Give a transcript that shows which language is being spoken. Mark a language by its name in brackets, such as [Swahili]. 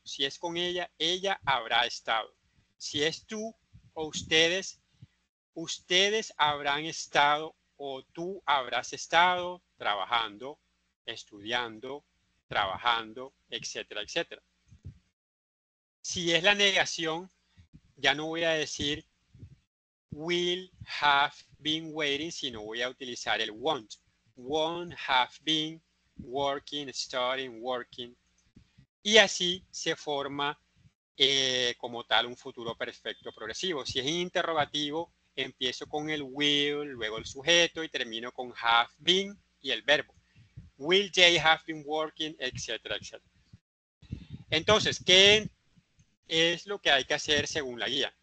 [Spanish] Si es con ella, ella habrá estado. Si es tú o ustedes, ustedes habrán estado o tú habrás estado trabajando, estudiando, trabajando, etcétera, etcétera. Si es la negación, ya no voy a decir [English] will have been waiting, [Spanish] sino voy a utilizar el won't. [English] Won't have been working, studying, working. [Spanish] Y así se forma como tal un futuro perfecto progresivo. Si es interrogativo, empiezo con el will, luego el sujeto y termino con have been y el verbo. [English] Will they have been working, [Spanish] etcétera, etcétera. Entonces, ¿qué es lo que hay que hacer según la guía?